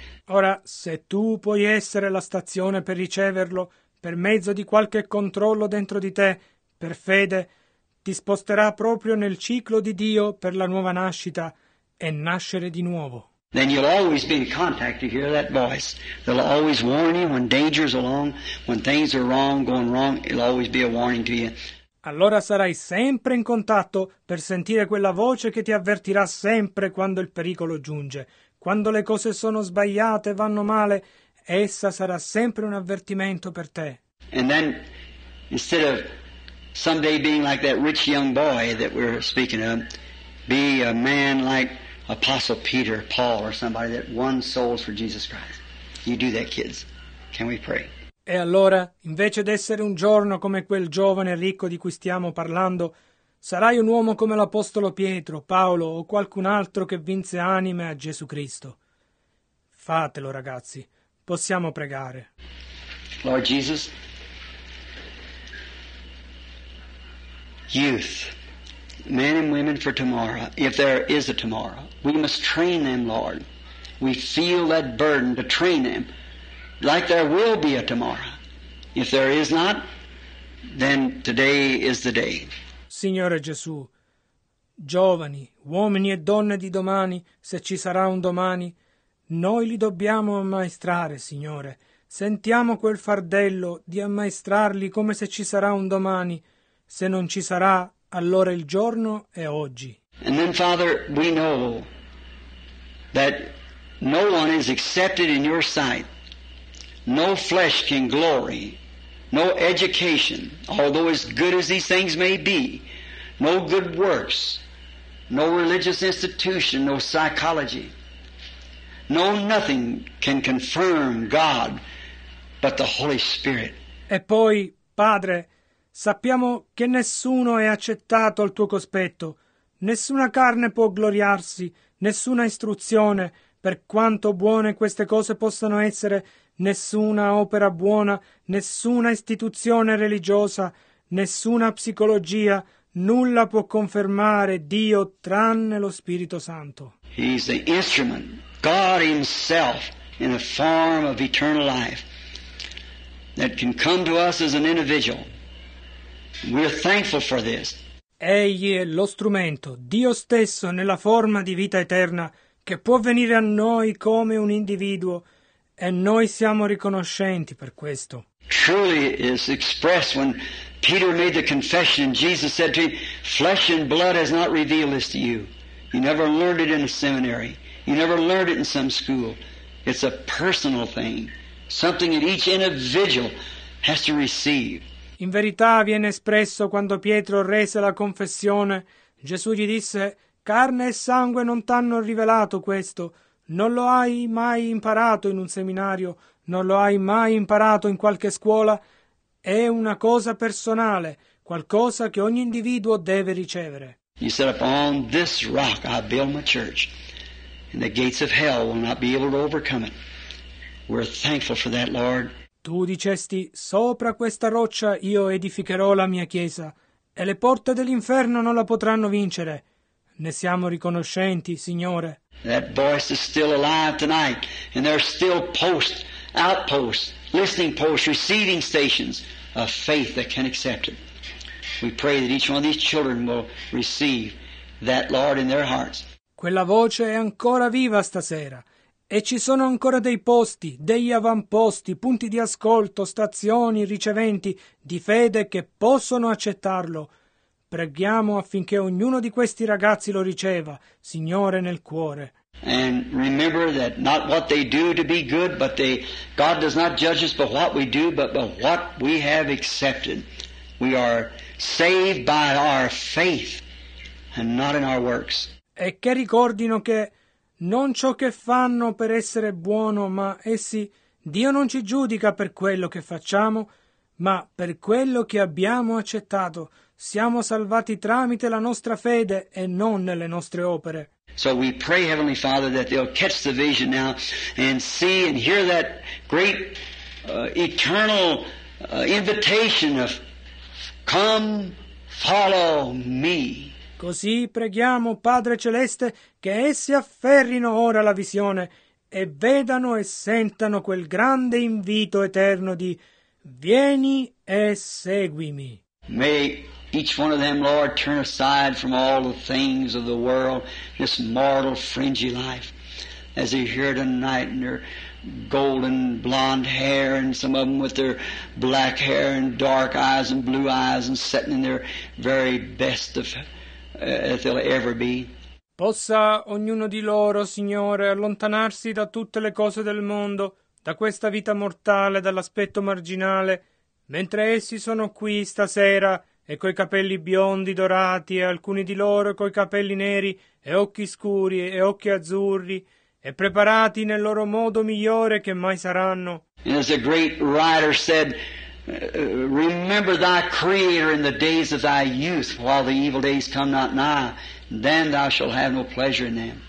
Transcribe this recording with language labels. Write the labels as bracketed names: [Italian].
[Italian] Ora, se tu puoi essere la stazione per riceverlo, per mezzo di qualche controllo dentro di te, per fede, ti sposterà proprio nel ciclo di Dio per la nuova nascita e nascere di nuovo. [English] Then you'll always be in contact to hear that voice. They'll always warn you when danger's along, when things are wrong, going wrong. It'll always be a warning to you. [Italian] Allora sarai sempre in contatto per sentire quella voce che ti avvertirà sempre quando il pericolo giunge. Quando le cose sono sbagliate, vanno male, essa sarà sempre un avvertimento per te. [English] And then, instead of someday being like that rich young boy that we're speaking of, be a man like Apostle Peter, Paul, or somebody that won souls for Jesus Christ. You do that, kids. Can we pray? [Italian] E allora, invece d'essere un giorno come quel giovane ricco di cui stiamo parlando, sarai un uomo come l'Apostolo Pietro, Paolo o qualcun altro che vinse anime a Gesù Cristo. Fatelo, ragazzi. Possiamo pregare. [English] Lord Jesus, youth, men and women for tomorrow, if there is a tomorrow, we must train them, Lord. We feel that burden to train them. Like there will be a tomorrow. If there is not, then today is the day. [Italian] Signore Gesù, giovani, uomini e donne di domani, se ci sarà un domani, noi li dobbiamo ammaestrare, Signore. Sentiamo quel fardello di ammaestrarli come se ci sarà un domani. Se non ci sarà, allora il giorno è oggi. [English] And then, Father, we know that no one is accepted in your sight. No flesh can glory, no education, although as good as these things may be, no good works, no religious institution, no psychology, no nothing can confirm God but the Holy Spirit. [Italian] E poi, Padre, sappiamo che nessuno è accettato al tuo cospetto, nessuna carne può gloriarsi, nessuna istruzione, per quanto buone queste cose possano essere, nessuna opera buona, nessuna istituzione religiosa, nessuna psicologia, nulla può confermare Dio tranne lo Spirito Santo. [English] He's the instrument, God himself, in the form of eternal life, that can come to us as an individual. We're thankful for this. [Italian] Egli è lo strumento, Dio stesso nella forma di vita eterna, che può venire a noi come un individuo, e noi siamo riconoscenti per questo. [English] Truly is expressed when Peter made the confession, Jesus said to him, flesh and blood has not revealed this to you. You never learned it in a seminary. You never learned it in some school. It's a personal thing, something that each individual has to receive. [Italian] In verità viene espresso quando Pietro rese la confessione, Gesù gli disse, carne e sangue non t'hanno rivelato questo. Non lo hai mai imparato in un seminario, non lo hai mai imparato in qualche scuola. È una cosa personale, qualcosa che ogni individuo deve ricevere. [English] He said, upon this rock I build my church, and the gates of hell will not be able to overcome it. We're thankful for that, Lord. [Italian] Tu dicesti, sopra questa roccia io edificherò la mia chiesa, e le porte dell'inferno non la potranno vincere. Ne siamo riconoscenti, Signore. [English] That voice is still alive tonight, and there are still posts, outposts, listening posts, receiving stations of faith that can accept it. We pray that each one of these children will receive that, Lord, in their hearts. [Italian] Quella voce è ancora viva stasera, e ci sono ancora dei posti, degli avamposti, punti di ascolto, stazioni, riceventi di fede che possono accettarlo. Preghiamo affinché ognuno di questi ragazzi lo riceva, Signore, nel cuore. [English] And remember that not what they do to be good, but they, God does not judge us by what we do, but by what we have accepted. We are saved by our faith and not in our works. [Italian] E che ricordino che non ciò che fanno per essere buono, ma essi, Dio non ci giudica per quello che facciamo, ma per quello che abbiamo accettato. Siamo salvati tramite la nostra fede e non nelle nostre opere. [English] So we pray, Heavenly Father, that they'll catch the vision now and see and hear that great eternal invitation of come, follow me. [Italian] Così preghiamo, Padre Celeste, che essi afferrino ora la visione e vedano e sentano quel grande invito eterno di vieni e seguimi. [English] Each one of them, Lord, turn aside from all the things of the world, this mortal, fringy life, as they hear tonight in their golden blonde hair, and some of them with their black hair and dark eyes and blue eyes, and sitting in their very best of as they'll ever be. [Italian] Possa ognuno di loro, Signore, allontanarsi da tutte le cose del mondo, da questa vita mortale, dall'aspetto marginale, mentre essi sono qui stasera e coi capelli biondi, dorati, e alcuni di loro coi capelli neri e occhi scuri e occhi azzurri, e preparati nel loro modo migliore che mai saranno. [English] As a great writer said, remember thy creator in the days of thy youth, while the evil days come not nigh, then thou shalt have no pleasure in them.